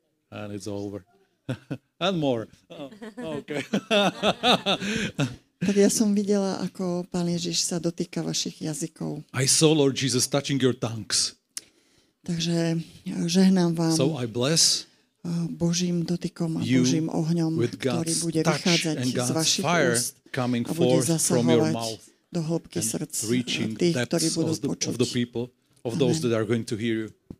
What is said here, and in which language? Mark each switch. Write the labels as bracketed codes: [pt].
[en] And it's over. And more. Oh, okay. [sk] Tak ja som videla, ako Pán Ježiš sa dotýka vašich jazykov. [en] I saw Lord Jesus touching your tongues. [sk] Takže žehnám vám. [en] So I bless [sk] Božím dotykom a Božím ohňom, ktorý bude vychádzať z vašich úst a bude zasahovať do hĺbky srdc tých, ktorí budú počuť. [en] Of the people, of those that are going to hear you.